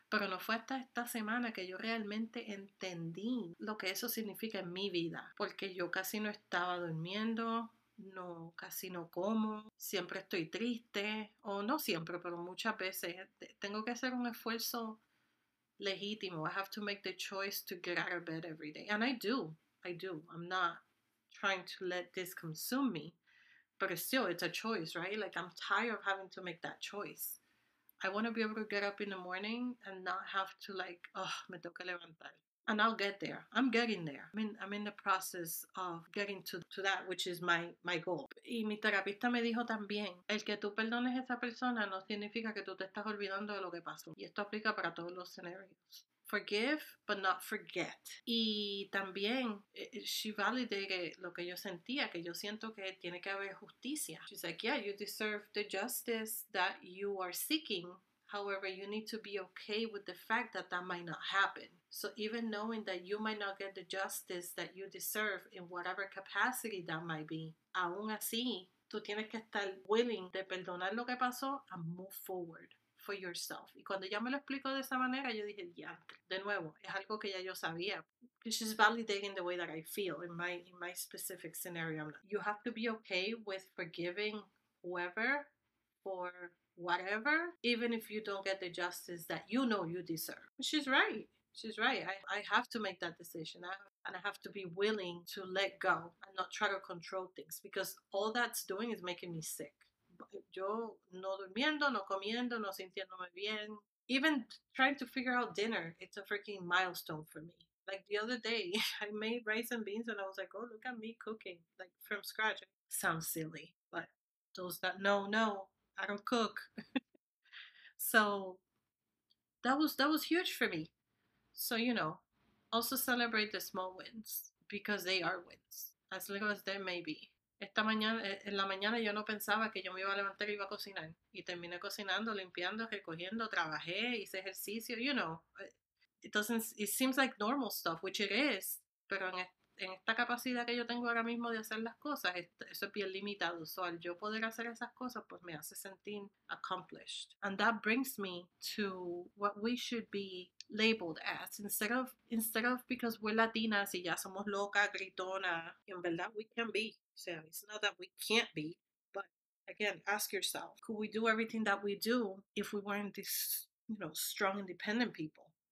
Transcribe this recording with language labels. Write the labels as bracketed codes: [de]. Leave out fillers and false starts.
[es] Pero no fue hasta esta semana que yo realmente entendí lo que eso significa en mi vida. Porque yo casi no estaba durmiendo, no, casi no como, siempre estoy triste, o no siempre, pero muchas veces tengo que hacer un esfuerzo legítimo. [en] I have to make the choice to get out of bed every day. And I do. I'm not trying to let this consume me, but still, it's a choice, right? Like, I'm tired of having to make that choice. I want to be able to get up in the morning and not have to, like, oh, [es] me tengo que levantar. [en] And I'll get there. I'm getting there. I mean, I'm in the process of getting to that, which is my goal. [es] Y mi terapista me dijo también, el que tú perdones a esa persona no significa que tú te estás olvidando de lo que pasó. Y esto aplica para todos los escenarios. [en] Forgive, but not forget. [es] Y también, [en] she validated [es] lo que yo sentía, que yo siento que tiene que haber justicia. [en] She's like, yeah, you deserve the justice that you are seeking. However, you need to be okay with the fact that that might not happen. So even knowing that you might not get the justice that you deserve in whatever capacity that might be, [es] aún así, tú tienes que estar [en] willing [es] de perdonar lo que pasó [en] and move forward for yourself. [es] Y cuando ya me lo explico de esa manera, yo dije, ya, de nuevo, es algo que ya yo sabía. [en] She's validating the way that I feel in my specific scenario. You have to be okay with forgiving whoever for whatever, even if you don't get the justice that you know you deserve. She's right. I have to make that decision. I have to be willing to let go and not try to control things, because all that's doing is making me sick. [es] Yo no durmiendo, no comiendo, no sintiéndome bien. [en] Even trying to figure out dinner, it's a freaking milestone for me. Like the other day, I made rice and beans and I was like, oh, look at me cooking, like from scratch. Sounds silly, but those that know, I don't cook. So that was huge for me. So, you know, also celebrate the small wins, because they are wins, as little as they may be. [es] Esta mañana, en la mañana yo no pensaba que yo me iba a levantar y iba a cocinar. Y terminé cocinando, limpiando, recogiendo, trabajé, hice ejercicio, [en] you know. It doesn't, it seems like normal stuff, which it is. [es] Pero en esta capacidad que yo tengo ahora mismo de hacer las cosas, eso es bien limitado. So al yo poder hacer esas cosas, pues me hace sentir [en] accomplished. And that brings me to what we should be labeled as. Instead of because we're Latinas [es] y ya somos locas, gritonas, en verdad [en] we can be. So it's not that we can't be, but again, ask yourself, could we do everything that we do if we weren't these, you know, strong, independent people?